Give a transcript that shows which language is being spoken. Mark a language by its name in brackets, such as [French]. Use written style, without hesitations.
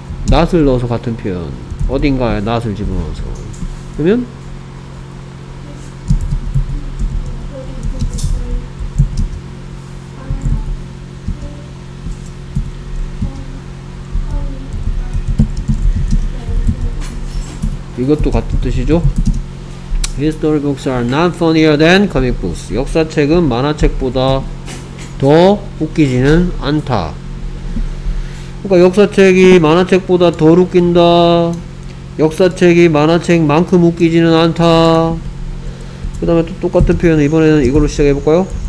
[Korean] not을 넣어서 같은 표현 어딘가에 not을 집어넣어서 그러면 이것도 같은 뜻이죠? [English] History books are not funnier than comic books. [Korean] 역사책은 만화책보다 더 웃기지는 않다. 그러니까 역사책이 만화책보다 덜 웃긴다. 역사책이 만화책만큼 웃기지는 않다. 그 다음에 또 똑같은 표현을 이번에는 이걸로 시작해볼까요?